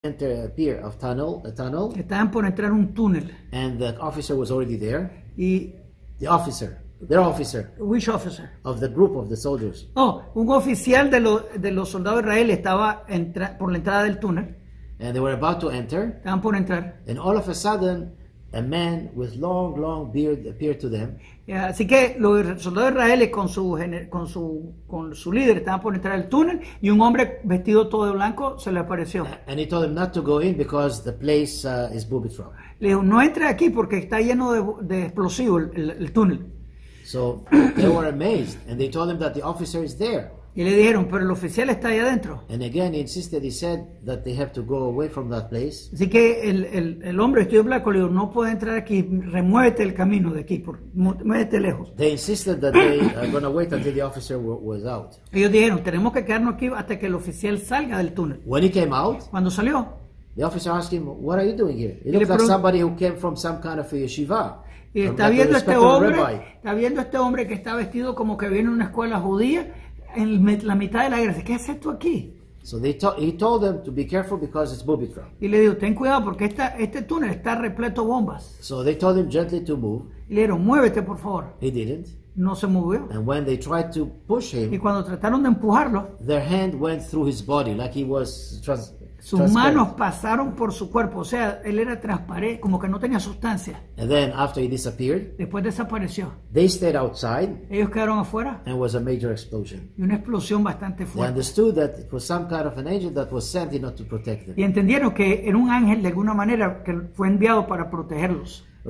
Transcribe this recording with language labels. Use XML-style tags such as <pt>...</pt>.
<en>Enter a pier of tunnel, a tunnel.</en> <es>Estaban por entrar un túnel.</es> <en>And the officer was already there.</en> <es>Y</es> <en>the officer, Their officer. Which officer? Of the group of the soldiers.</en> <es>Oh, un oficial de los soldados de Israel estaba por la entrada del túnel.</es> <en>And they were about to enter.</en> <es>Estaban por entrar.</es> <en>And all of a sudden, a man with long, long beard appeared to them.</en> <es>Yeah, así que los soldados israelíes con su líder estaban por entrar al túnel y un hombre vestido todo de blanco se le apareció.</es> <en>And he told them not to go in because the place is booby trapped.</en> <es>Le dijo, no entre aquí porque está lleno de explosivos el túnel.</es> <en>So they were amazed and they told them that the officer is there.</en> <es>Y le dijeron, pero el oficial está ahí adentro.</es> <en>And again he insisted, he said that they have to go away from that place.</en> <es>Así que el hombre estudió blanco, le dijo, no puede entrar aquí, remuévete el camino de aquí, muévete lejos.</es> <en>They insisted that they are going to wait until the officer was out.</en> <es>Y ellos dijeron, tenemos que quedarnos aquí hasta que el oficial salga del túnel.</es> <en>When he came out,</en> <es>cuando salió,</es> <en>the officer asked him, what are you doing here? It looks like somebody who came from some kind of a yeshiva.</en> <es>Y está viendo este hombre, que está vestido como que viene de una escuela judía. En la mitad de la guerra, ¿qué haces tú aquí?</es> <en>So he told them to be careful because it's booby trap.</en> <es>Y le dijo, ten cuidado porque este túnel está repleto de bombas.</es> <en>So they told him gently to move.</en> <es>Y le dijeron, muévete por favor.</es> <en>He didn't.</en> <es>No se movió.</es> <en>And when they tried to push him,</en> <es>y cuando trataron de empujarlo,</es> <en>their hand went through his body like he was</en> <es>sus manos pasaron por su cuerpo, o sea, él era transparente, como que no tenía sustancia.</es> <en>And then after he disappeared,</en> <es>después desapareció.</es> <en>They stayed outside.</en> <es>Ellos quedaron afuera.</es> <en>And was a major explosion.</en> <es>Y una explosión bastante fuerte.</es> <en>They understood that it was some kind of an angel that was sent in order to protect them.</en> <es>Y entendieron que era un ángel de alguna manera que fue enviado para protegerlos.</es>